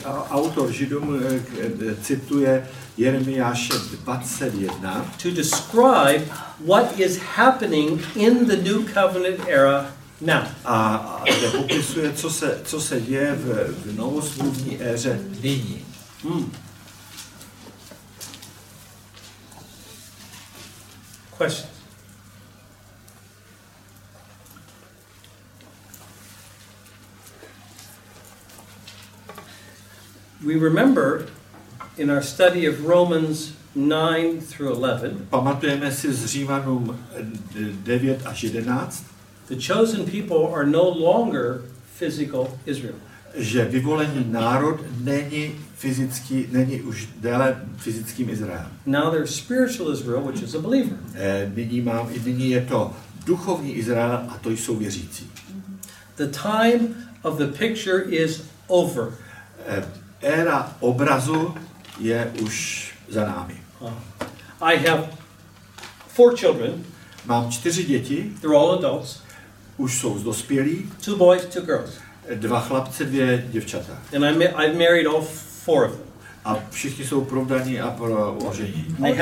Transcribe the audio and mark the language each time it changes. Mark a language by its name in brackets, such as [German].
[Czech] Autor Židům cituje Jeremiáše 21. [English] To describe what is happening in the New Covenant era now. [Czech] A popisuje, co se děje v novosmluvní éře nyní. [English] Questions. We remember in our study of Romans 9 through 11. [Czech] Pamatujeme si z Římanů 9 až 11. [English] The chosen people are no longer physical Israel. [Czech] Že vyvolený národ není fyzický, není už déle fyzickým Izraelem. [English] Now there's spiritual Israel, which is a believer. [Czech] Nyní je to duchovní Izrael a to jsou věřící. [English] The time of the picture is over. [Czech] Éra obrazu je už za námi. [English] I have 4 children. [Czech] Mám 4 děti. [English] They're all adults. [Czech] Už jsou dospělí. [English] 2 boys, 2 girls. [Czech] 2 chlapce, 2 děvčata. [English] And I've married all 4 of them. [Czech] A všichni jsou provdaní a proložení.